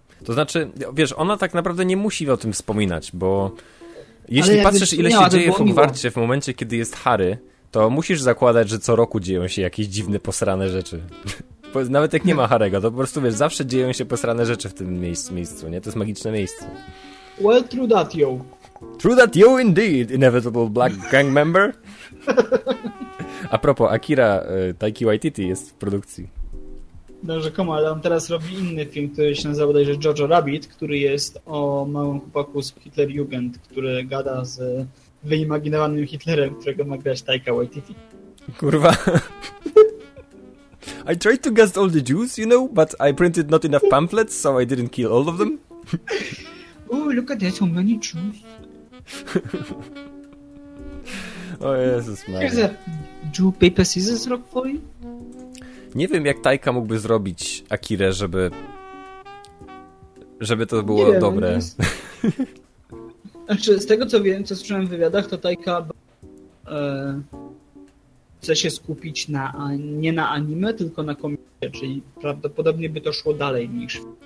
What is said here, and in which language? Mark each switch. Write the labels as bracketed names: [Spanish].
[Polish] To znaczy, wiesz, ona tak naprawdę nie musi o tym wspominać, bo jeśli patrzysz, ile się dzieje w Hogwarcie w momencie, kiedy jest Harry, to musisz zakładać, że co roku dzieją się jakieś dziwne, posrane rzeczy. Nawet jak nie ma Harry'ego, to po prostu, wiesz, zawsze dzieją się posrane rzeczy w tym miejscu, nie? To jest magiczne miejsce. [English] Well, true that, yo. True that, yo, indeed, inevitable black gang member. [Polish] A propos, Akira Taiki Waititi jest w produkcji. No rzekomo, ale on teraz robi inny film, który się nazywa bodajże Jojo Rabbit, który jest o małym chłopaku z Hitlerjugend, który gada z wyimaginowanym Hitlerem, którego ma grać Taika Waititi. Kurwa. [English] I tried to guess all the Jews, you know, but I printed not enough pamphlets, so I didn't kill all of them. Oh, look at that, so many Jews. Oh, Jesus, man. Here's a Jew paper scissors rock for you. [Polish] Nie wiem, jak Taika mógłby zrobić Akirę, żeby to było nie wiem, dobre. Znaczy, z tego, co wiem, co słyszałem w wywiadach, to Taika chce się skupić nie na anime, tylko na komiksie, czyli prawdopodobnie by to szło dalej niż...